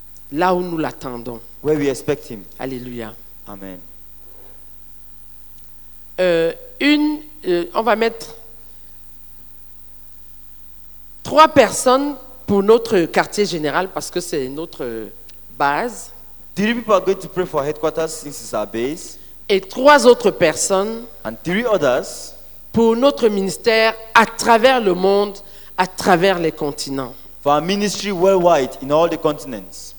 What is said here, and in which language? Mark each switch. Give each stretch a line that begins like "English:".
French: Là où nous l'attendons.
English: Where we expect him. Alléluia. Amen.
French: On va mettre trois personnes pour notre quartier général parce que c'est notre base.
English: Three people are going to pray for headquarters since it's our base.
French: Et trois autres personnes
English: and three others
French: pour notre ministère à travers le monde, à travers les continents.
English: For our ministry worldwide in all the continents.